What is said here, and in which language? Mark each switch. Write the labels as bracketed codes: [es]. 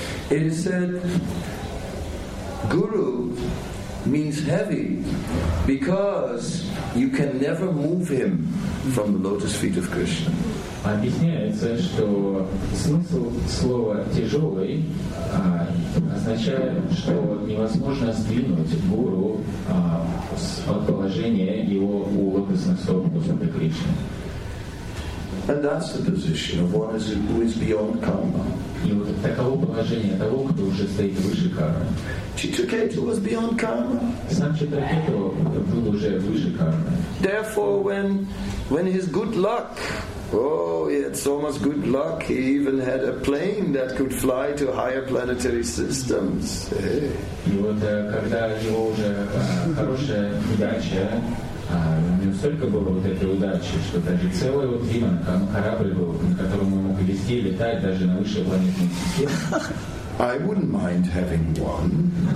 [en] it is said guru means heavy because you can never move him from the lotus feet of Krishna. [ru] Объясняется, что смысл слова тяжелый означает, что невозможно сдвинуть гуру от положения его у лотосных стоп Господа Кришны. [en] And that's the position of one who is beyond karma. [ru] И вот таково положение того, кто уже стоит выше кармы. [en] Читракету was beyond karma. [ru] Сам Читракету был уже выше кармы. [en] Therefore, when his good luck, oh, he had so much good luck, he even had a plane that could fly to higher planetary systems. Hey. [ru] И вот когда его уже хорошая удача, у него столько было вот этой удачи, что даже целый вот Виман, там корабль был, на котором он мог вести и летать даже на высшей планетной системе. [en] I wouldn't mind having one.